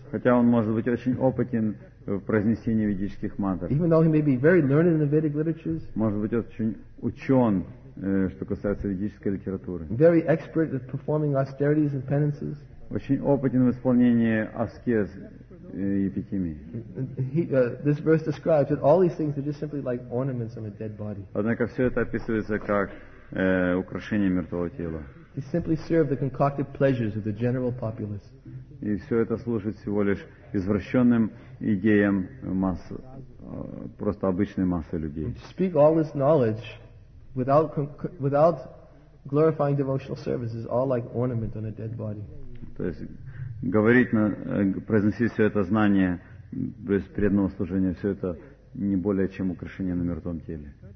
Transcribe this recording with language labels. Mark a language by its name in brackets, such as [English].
[Russian] Хотя он может быть очень опытен в произнесении ведических мантр. [English] Even though he may be very learned in the Vedic literatures. [Russian] Может быть очень учен. Что касается ведической литературы. [English] Very expert at performing austerities and penances. [Russian] Очень опытен в исполнении аскез и епитимии. [English] This verse describes that all these things are just simply like ornaments on a dead body. [Russian] Однако все это описывается как украшение мертвого тела. [English] He simply served the concocted pleasures of the general populace. [Russian] И все это служит всего лишь извращенным идеям масс, просто обычной массы людей. [English] To speak all this knowledge. Without glorifying devotional service is all like ornament on a dead body. [Russian] То есть говорить, произносить все это знание без преданного служения, все это не более чем украшение на мертвом теле.